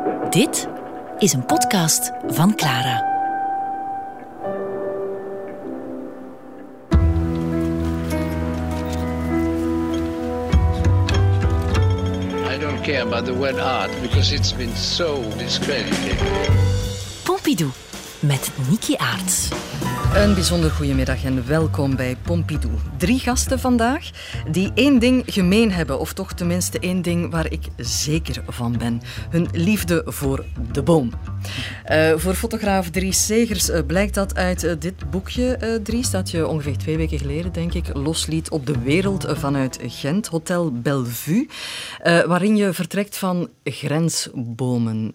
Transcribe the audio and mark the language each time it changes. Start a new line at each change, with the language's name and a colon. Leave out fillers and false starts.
Dutch: Dit is een podcast van Clara.
English: I don't care about the word art because it's been so discredited.
Dutch: Pompidou met Niki Aarts. Een bijzonder goedemiddag en welkom bij Pompidou. Drie gasten vandaag die één ding gemeen hebben, of toch tenminste één ding waar ik zeker van ben. Hun liefde voor de boom. Voor fotograaf Dries Segers blijkt dat uit dit boekje, Dries, dat je ongeveer 2 weken geleden, denk ik, losliet op de wereld vanuit Gent, Hotel Bellevue, waarin je vertrekt van grensbomen.